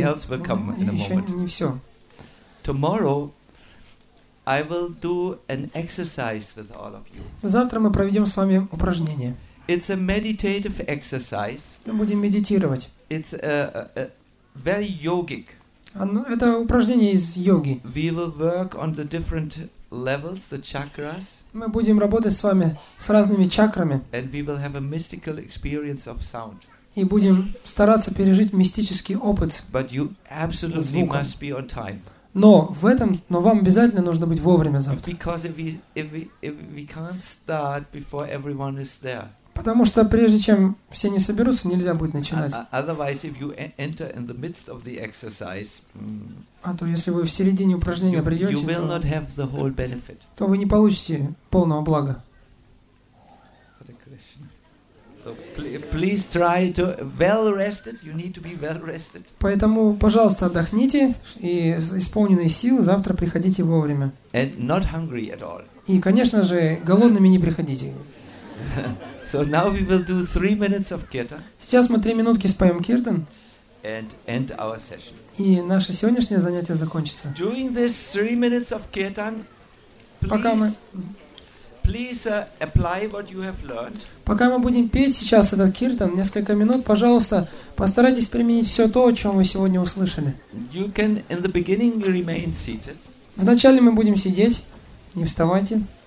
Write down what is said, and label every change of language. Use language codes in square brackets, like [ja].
[en] Something else will come in a moment. [ru] Еще не все. [en] Tomorrow, I will do an exercise with all of you. [ru] Завтра мы проведем с вами упражнение. [en] It's a meditative exercise. [ru] Мы будем медитировать. [en] It's a very yogic. [ru] Это упражнение из йоги. [en] We will work on the different levels, the chakras. [ru] Мы будем работать с вами с разными чакрами. [en] And we will have a mystical experience of sound. [ru] И будем стараться пережить мистический опыт. [en] But you absolutely must be on time. [ru] Но вам обязательно нужно быть вовремя завтра. [en] Because if we can't start before everyone is there. [ru] Потому что прежде чем все не соберутся, нельзя будет начинать. [en] Otherwise, if you enter in the midst of the exercise. [ru] А то если вы в середине упражнения придете, [en] you will not have the whole benefit. [ru] То вы не получите полного блага. [en] Hare Krishna. So please try to well rested. You need to be well rested. [ru] Поэтому, пожалуйста, отдохните и с исполненной силы завтра приходите вовремя. [en] And not hungry at all. [ru] И, конечно же, голодными не приходите. [en] So now we will do 3 minutes of kirtan. [ru] Сейчас мы 3 минутки споем киртан. [en] And end our session. [ru] И наше сегодняшнее занятие закончится. [en] During this 3 minutes of kirtan, please apply what you have learned. [ru] Пока мы будем петь сейчас этот киртан несколько минут, пожалуйста, постарайтесь применить все то, о чем вы сегодня услышали. [en] You can in the beginning remain seated. [ru] Вначале мы будем сидеть, не вставайте.